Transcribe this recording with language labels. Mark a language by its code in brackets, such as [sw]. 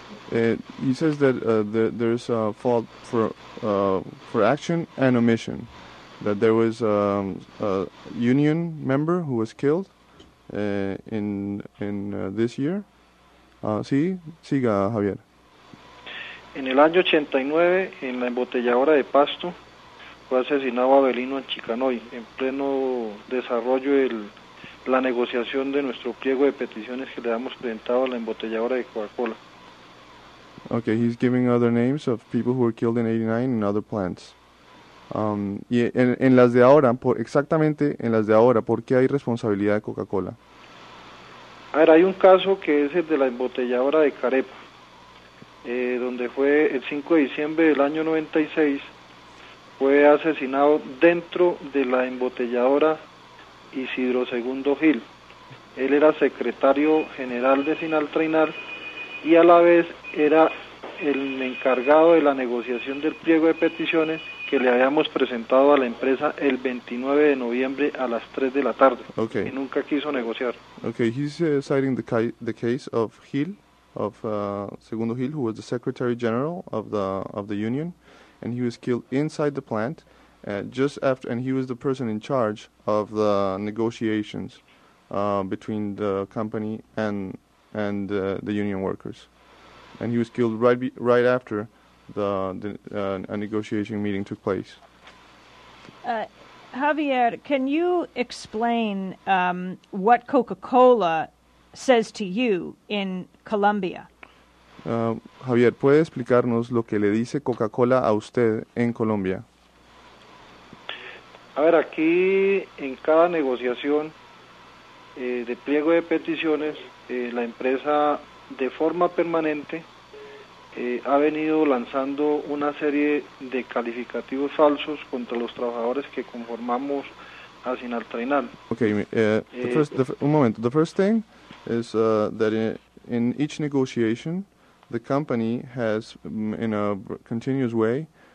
[en] He says that there is a fault for action and omission, that there was a union member who was killed this year. [es] Sí, siga, Javier. En el año 89, en la embotelladora de Pasto, fue asesinado Abelino Chicanoy, en pleno desarrollo de la negociación de nuestro pliego de peticiones que le habíamos presentado a la embotelladora de Coca-Cola. [en] Okay, he's giving other names of people who were killed in 89 in other plants. [es] Y en las de ahora, exactamente en las de ahora, ¿por qué hay responsabilidad de Coca-Cola? A ver, hay un caso que es el de la embotelladora de Carepa. Donde fue el 5 de diciembre del año 96, fue asesinado dentro de la embotelladora Isidro Segundo Gil. Él era secretario general de Senal Trenal y a la vez era el encargado de la negociación del pliego de peticiones que le habíamos presentado a la empresa el 29 de noviembre a las 3 de la tarde. [en] Okay. [es] Y nunca quiso negociar. [en] Okay, he's citing the case of Gil. Of Segundo Gil, who was the secretary general of the union, and he was killed inside the plant and he was the person in charge of the negotiations between the company and the union workers, and he was killed right after the negotiation meeting took place. Javier, can you explain what Coca-Cola says to you in Colombia? [es] Javier, ¿puede explicarnos lo que le dice Coca-Cola a usted en Colombia? A ver, aquí en cada negociación de pliego de peticiones, la empresa de forma permanente ha venido lanzando una serie de calificativos falsos contra los trabajadores que conformamos a Senal Trenal. Okay, un momento. [en] The first thing is that in each negotiation, the company has, in a continuous way,